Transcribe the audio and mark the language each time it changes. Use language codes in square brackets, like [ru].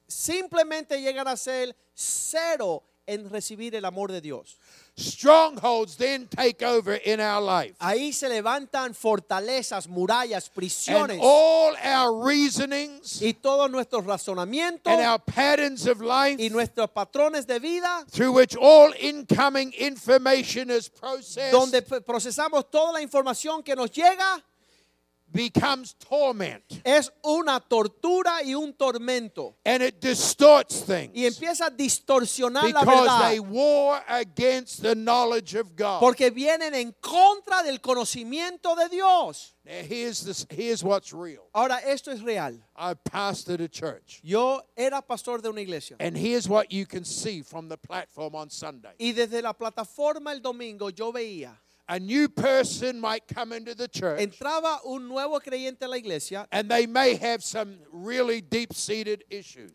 [es] Simplemente llegan a ser cero en recibir el amor de Dios. [en] Strongholds then take over in our life. [es] Ahí se levantan fortalezas, murallas, prisiones. [en] And all our reasonings. [es] Y todos nuestros razonamientos. [en] And our patterns of life. [es] Y nuestros patrones de vida. [en] Through which all incoming information is processed. [es] Donde procesamos toda la información que nos llega. [en] Becomes torment. [es] Es una tortura y un tormento. [en] And it distorts things. [es] Y empieza a distorsionar la verdad. [en] Because they war against the knowledge of God. [es] Porque vienen en contra del conocimiento de Dios. [en] Now here's what's real. [es] Ahora esto es real. [en] I pastored a church. [es] Yo era pastor de una iglesia. [en] And here's what you can see from the platform on Sunday. [es] Y desde la plataforma el domingo yo veía. [en] A new person might come into the church. [es] Entraba un nuevo creyente a la iglesia. [en] And they may have some really deep-seated issues.